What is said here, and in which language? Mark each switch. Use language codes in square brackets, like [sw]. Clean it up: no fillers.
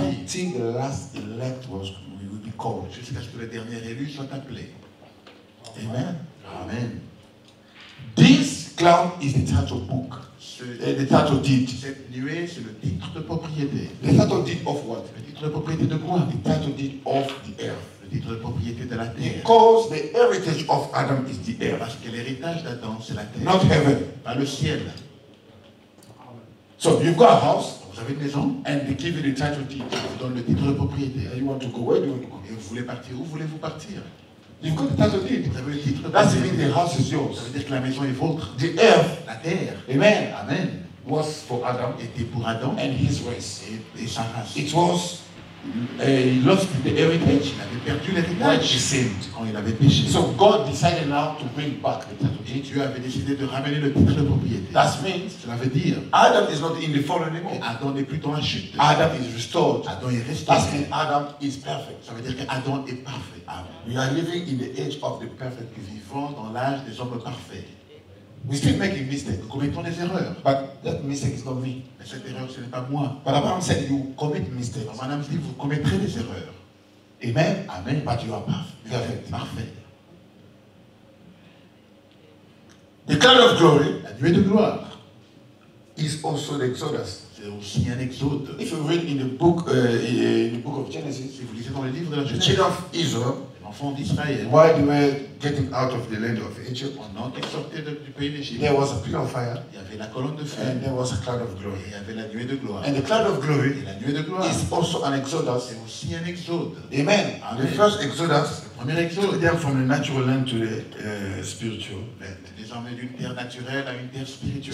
[en] Until the last elect was, will be called. [fr] Jusqu'à ce que le dernier élu soit appelé. [en] Amen. [fr] Amen. [en] This cloud is the title book. The title deed. [fr] Cette nuée, c'est le titre de propriété. [en] The title deed of what? [fr] Le titre de propriété de quoi? [en] The title deed of the earth. [fr] Le titre de propriété de la terre. [en] Because the heritage of Adam is the earth. [fr] Parce que l'héritage d'Adam, c'est la terre. [en] Not heaven. [fr] Pas le ciel. [en] So you've got a house. [fr] Vous avez une maison. [en] And they give you the title deed. [fr] Vous donne le titre de propriété. [en] And you want to go? Where do you want to go? [fr] Et vous voulez partir? Où voulez-vous partir? [en] You've got the title deed. [fr] Vous avez le titre. [en] That's mean the house is yours. [fr] Ça veut dire que la maison est vôtre. [en] The earth. [fr] La terre. [en] Amen. [fr] Amen. [en] Was for Adam. [fr] Était pour Adam. [en] And his race. [fr] Et sa race. [en] It was. He lost the heritage. [fr] Il avait perdu l'héritage. [en] He sinned. [fr] Quand il avait péché. [en] So God decided now to bring back the title deed. [fr] Et Dieu avait décidé de ramener le titre de propriété. [en] That means. [fr] Cela veut dire. [en] Adam is not in the fall anymore. [fr] Adam n'est plus dans la chute. [en] Adam is restored. [fr] Adam est restauré. [en] That means Adam is perfect. [fr] Ça veut dire que Adam est parfait. [en] Amen. We are living in the age of the perfect. [fr] Nous vivons dans l'âge des hommes parfaits. [en] We still making mistakes. [fr] Nous commettons des erreurs. [en] But that mistake is not me. [fr] Mais cette erreur, ce n'est pas moi. [en] But Abraham said, you commit mistakes. [fr] Abraham dit, vous commettrez des erreurs. [en] Amen. [fr] Amen. [en] But you are perfect. [fr] Perfect. Parfait. [en] The cloud of glory, [fr] la nuée de gloire, [en] is also the Exodus. [fr] C'est aussi un exode. [en] If you read in the book of Genesis, [fr] si vous lisez dans le livre de la Genèse, [en] the children of Israel. [fr] Enfants d'Israël. [en] Why they were getting out of the land of Egypt? [fr] On a été sortis du pays d'Égypte. [en] There was a pillar of fire. [fr] Il y avait la colonne de feu. [en] And there was a cloud of glory. [fr] Il y avait la nuée de gloire. [en] And the cloud of glory. [fr] Et la nuée de gloire. [en] Is also an exodus. [fr] C'est aussi un exode. [en] Amen. [fr] Amen. [en] The first exodus. [fr] Le premier exode. [en] Took them from the natural land to the spiritual. [fr] Les emmenait d'une terre naturelle à une terre spirituelle.